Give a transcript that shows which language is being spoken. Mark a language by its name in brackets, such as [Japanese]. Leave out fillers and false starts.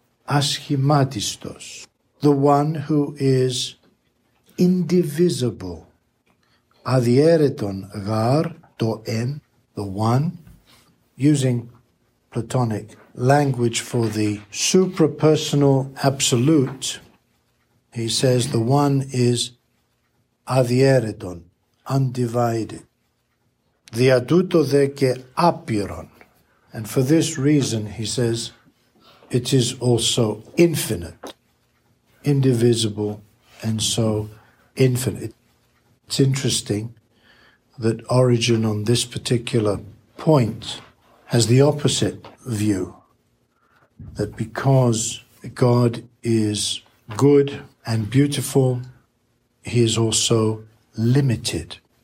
[English] ασχηματιστός, the one who is indivisible, [Greek] αδιαίρετον γαρ το εν, [English] the one, using Platonic language for the suprapersonal absolute, he says the one is αδιαίρετον, undivided. [Greek] Δια τούτο δε και άπειρον. [English] And for this reason, he says, it is also infinite, indivisible, and so infinite. It's interesting that Origen on this particular point has the opposite view, that because God is good and beautiful, he is also limited.